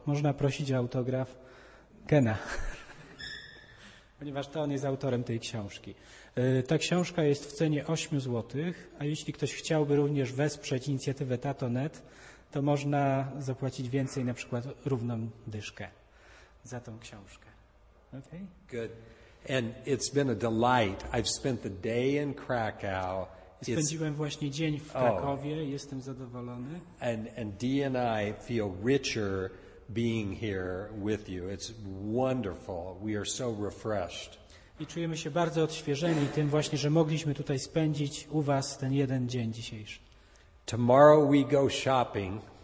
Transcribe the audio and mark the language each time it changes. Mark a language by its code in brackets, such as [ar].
[pl] Można prosić o autograf Kena. Ponieważ to on jest autorem tej książki. Ta książka jest w cenie 8 zł, a jeśli ktoś chciałby również wesprzeć inicjatywę Tato.net, to można zapłacić więcej, na przykład równą dyszkę za tą książkę. [en] Okay? Good. And it's been a delight. I've spent the day in Krakow. [pl] Spędziłem właśnie dzień w Krakowie. [en] Oh. [pl] Jestem zadowolony. [en] And Dee and I feel richer being here with you. It's wonderful. We are so refreshed. [pl] I czujemy się bardzo odświeżeni tym właśnie, że mogliśmy tutaj spędzić u was ten jeden dzień dzisiejszy. [en] Tomorrow we go shopping.